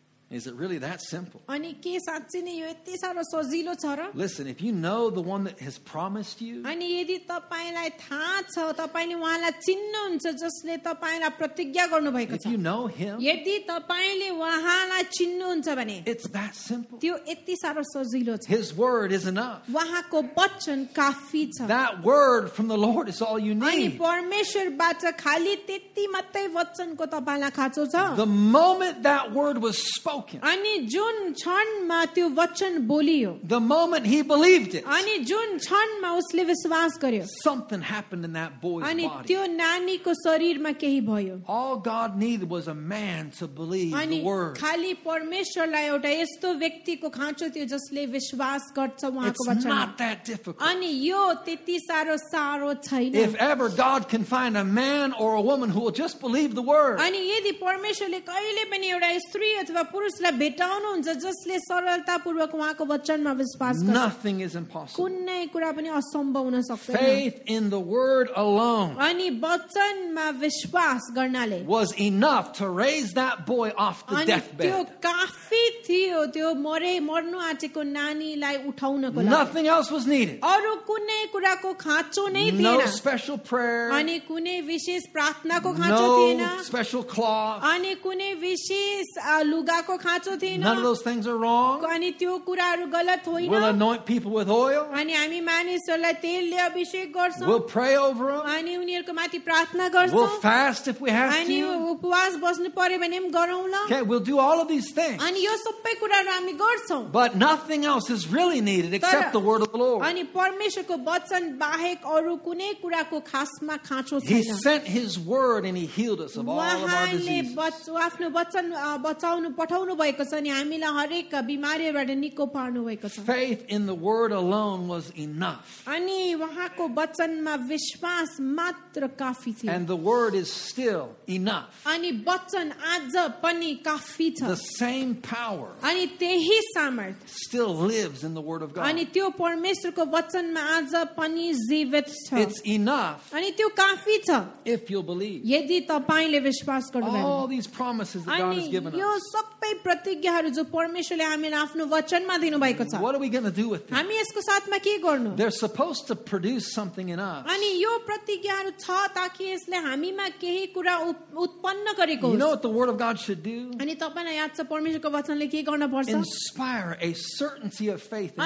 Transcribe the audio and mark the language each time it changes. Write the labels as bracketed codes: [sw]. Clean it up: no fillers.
[en] Is it really that simple? Listen, if you know the one that has promised you, if you know him, it's that simple. His word is enough. That word from the Lord is all you need. The moment that word was spoken, [ne] अनि जुन क्षणमा त्यो वचन बोलियो [en] the moment he believed it [ne] अनि जुन क्षणमा उसले विश्वास गर्यो [en] something happened in that boy's body [ne] अनि त्यो नानीको शरीरमा केही भयो [en] all God needed was a man to believe [ne] अनि [en] the word [ne] खाली परमेश्वरलाई एउटा यस्तो व्यक्तिको खाँचो थियो जसले विश्वास गर्छ उहाँको वचनमा [en] it's not that difficult [ne] अनि यो त्यति साह्रो छैन [en] if ever God can find a man or a woman who will just believe the word [ne] अनि यदि परमेश्वरले कहिले पनि एउटा स्त्री अथवा पुरुषलाई भेटाउनुहुन्छ जसले सरलतापूर्वक उहाँको वचनमा विश्वास गर्छ [en] Nothing is impossible. [ne] कुनै कुरा पनि असम्भव हुन सक्दैन [en] Faith in the word alone. [ne] अनि वचनमा विश्वास गर्नाले [en] was enough to raise that boy off the deathbed. [ne] अनि त्यो काफी थियो त्यो मर्नु आँटेको नानीलाई उठाउनको लागि [en] Nothing else was needed. [ne] अरु कुनै कुराको खाँचो नै थिएन [en] No special prayer. [ne] अनि कुनै विशेष प्रार्थनाको खाँचो थिएन [en] No special cloth. [ne] अनि कुनै विशेष गाको खाँचो थिएन [en] None of those things are wrong [ne] अनि त्यो कुराहरु गलत होइन [en] We'll anoint people with oil [ne] अनि हामी मानिसहरुलाई तेलले अभिषेक गर्छौं [en] We'll pray over them [ne] अनि उनीहरुको माथि प्रार्थना गर्छौं [en] We'll fast if we have to [ne] अनि उपवास बस्नु पर्यो भने पनि गरौँ ल [en] Okay we'll do all of these things [ne] अनि यो सबै कुराहरु हामी गर्छौं [en] But nothing else is really needed except the word of the Lord [ne] अनि परमेश्वरको वचन बाहेक अरु कुनै कुराको खासमा खाँचो छैन [en] He sent his word and he healed us of all of our diseases [ne] आफ्नो वचन बचाउनु पठाउनु भएको छ नि हामीलाई हरेक बिमारीबाट निको पार्नु भएको छ [en] Faith in the word alone was enough [ne] अनि वहाको वचनमा विश्वास मात्र काफी थियो [en] And the word is still enough [ne] अनि वचन आज पनि काफी छ [en] The same power [ne] अनि त्यही सामर्थ्य [en] still lives in the word of God [ne] अनि त्यो परमेश्वरको वचनमा आज पनि जीवित छ [en] It's enough [ne] अनि त्यो काफी छ [en] If you believe [ne] यदि तपाईले विश्वास गर्नुभयो [en] All these promises that God has given us. [ne] यो सबै प्रतिज्ञाहरु जो परमेश्वरले हामीलाई आफ्नो वचनमा दिनुभएको छ. [en] What are we going to do with them? [ne] हामी यसको साथमा के गर्नु? [en] They're supposed to produce something in us. [ne] अनि यो प्रतिज्ञाहरु छ ताकि यसले हामीमा केही कुरा उत्पन्न गरेको होस्. [en] You know what the word of God should do? [ne] अनि तपाईलाई याद छ परमेश्वरको वचनले के गर्न पर्छ? [en] Inspire a certainty of faith in your